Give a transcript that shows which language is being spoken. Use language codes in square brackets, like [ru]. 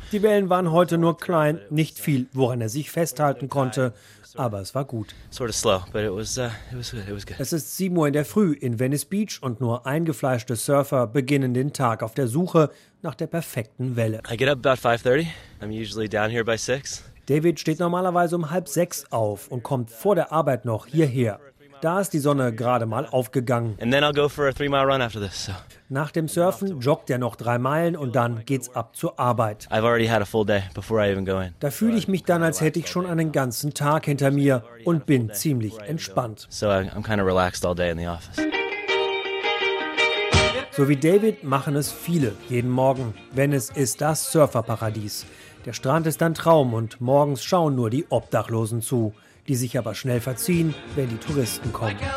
[de] Die Wellen waren heute nur klein, nicht viel, woran er sich festhalten konnte, aber es war gut. [en] Sort of slow, but it was good. [de] Es ist 7 Uhr in der Früh in Venice Beach und nur eingefleischte Surfer beginnen den Tag auf der Suche nach der perfekten Welle. [en] I get up about 5:30. I'm usually down here by 6. [de] David steht normalerweise um 5:30 auf und kommt vor der Arbeit noch hierher. Da ist die Sonne gerade mal aufgegangen. [en] And then I'll go for a 3-mile run after this, so. [de] Nach dem Surfen joggt er noch 3 Meilen und dann geht's ab zur Arbeit. [en] I've already had a full day before I even go in. [de] Da fühle ich mich dann, als hätte ich schon einen ganzen Tag hinter mir und bin ziemlich entspannt. [en] So I'm kind of relaxed all day in the office. [de] So wie David machen es viele jeden Morgen. Venice ist das Surferparadies. Der Strand ist ein Traum und morgens schauen nur die Obdachlosen zu, die sich aber schnell verziehen, wenn die Touristen kommen.